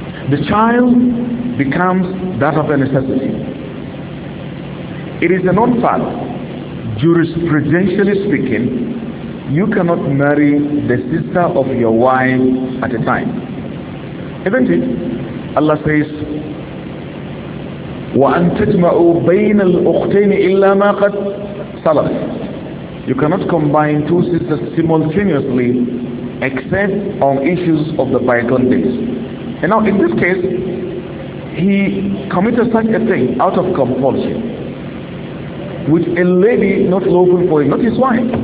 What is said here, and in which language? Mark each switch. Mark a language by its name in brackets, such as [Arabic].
[English] The child becomes that of a necessity. It is a non-fact. Jurisprudentially speaking, you cannot marry the sister of your wife at a time. Isn't it? Allah says, [Arabic] وَأَن تَجْمَعُوا بَيْنَ الْأُخْتَيْنِ إِلَّا مَا قَدْ سَلَفَ. [English] You cannot combine two sisters simultaneously except on issues of the bygone days. And now in this case, he committed such a thing out of compulsion with a lady not lawful for him, not his wife.